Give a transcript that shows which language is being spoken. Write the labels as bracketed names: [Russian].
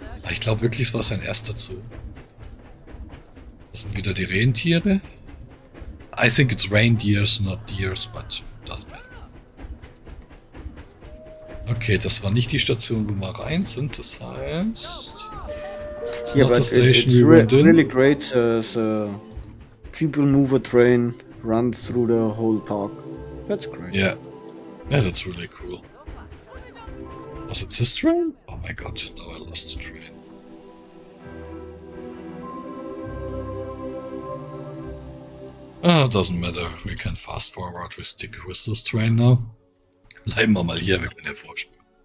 [German] Ich glaube wirklich, es war sein erster Zoo. Das sind wieder die Rentiere. [English] I think it's reindeers, not deers, but doesn't matter. [German] Okay, das war nicht die Station, wo wir rein sind. Das heißt, [English] it's not the station we went in. Really great, so people move a train, run through the whole park. That's great. Yeah, that's really cool. Was it this train? Oh my god, now I lost the train. Doesn't matter, we can fast forward, we stick with this train now. [German] Bleiben wir mal hier, wir können ja vorspielen.